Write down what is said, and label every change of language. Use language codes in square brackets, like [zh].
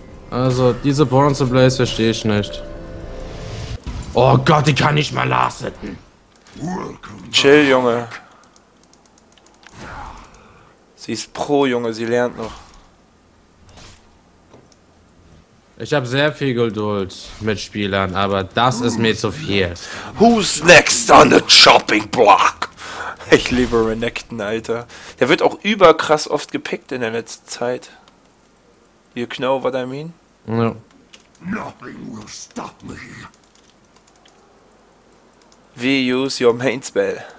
[de] Also, diese Bronze Blaze verstehe ich nicht. Oh Gott, die kann nicht mal last hitten. Chill, Junge. Sie ist Pro, Junge, sie lernt noch. Ich habe sehr viel Geduld mit Spielern, aber das ist mir zu viel. [en] Who's next on the chopping block? [de] Ich liebe Renekton, Alter. Der wird auch überkrass oft gepickt in der letzten Zeit. [en] You know what I mean? [de] Ja. [en] Nothing will stop me. We use your main spell.